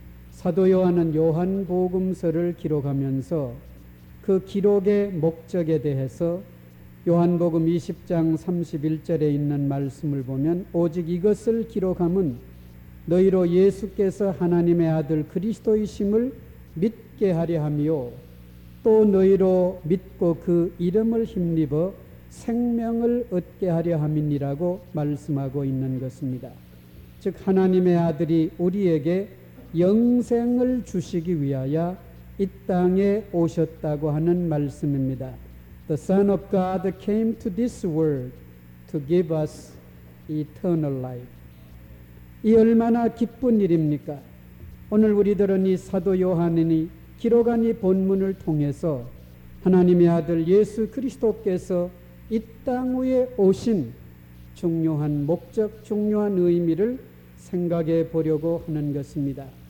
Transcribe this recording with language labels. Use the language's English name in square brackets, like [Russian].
[Korean] 사도 요한은 요한복음서를 기록하면서 그 기록의 목적에 대해서 요한복음 20장 31절에 있는 말씀을 보면 오직 이것을 기록함은 너희로 예수께서 하나님의 아들 그리스도이심을 믿게 하려 함이요 또 너희로 믿고 그 이름을 힘입어 생명을 얻게 하려 함이니라고 말씀하고 있는 것입니다. 즉 하나님의 아들이 우리에게 영생을 주시기 위하여 이 땅에 오셨다고 하는 말씀입니다. [English] The Son of God came to this world to give us eternal life. [Korean] 이 얼마나 기쁜 일입니까? 오늘 우리들은 이 사도 요한이 기록한 이 본문을 통해서 하나님의 아들 예수 그리스도께서 이 땅 위에 오신 중요한 목적, 중요한 의미를 생각해 보려고 하는 것입니다.